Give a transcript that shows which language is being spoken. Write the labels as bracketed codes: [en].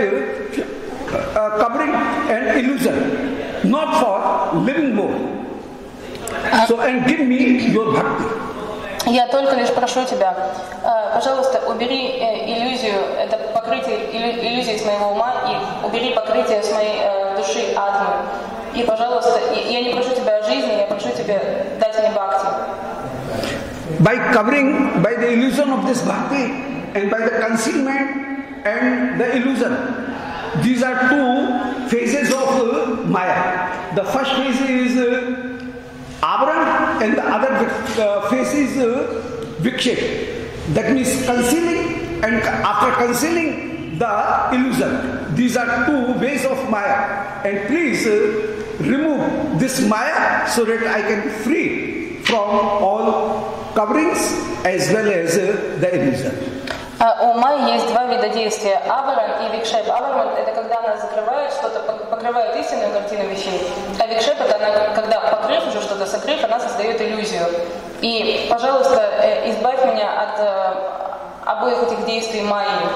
[en] I am remove that covering and illusion, not for living more. So and give me your bhakti. [ru] Я только лишь прошу тебя, пожалуйста, убери иллюзию, это покрытие иллюзии с моего ума, и убери покрытие с моей души атмы. И, пожалуйста, я не прошу тебя о жизни, я прошу тебя дать мне бхакти. [en] By covering, by the illusion of this bhakti, and by the concealment and the illusion, these are two phases of maya. The first phase is Avaran, and the other face is Vikshep. That means concealing, and after concealing, the illusion. These are two ways of Maya. And please remove this Maya so that I can be free from all coverings as well as the illusion. [ru] У Майи есть два вида действия: Аваран и Викшеп. Аваран – это когда она закрывает что-то, покрывает истинную картину вещей. А Викшеп – это она, когда, покрыв уже что-то, сокрыв, она создает иллюзию. И, пожалуйста, избавь меня от обоих этих действий Майи.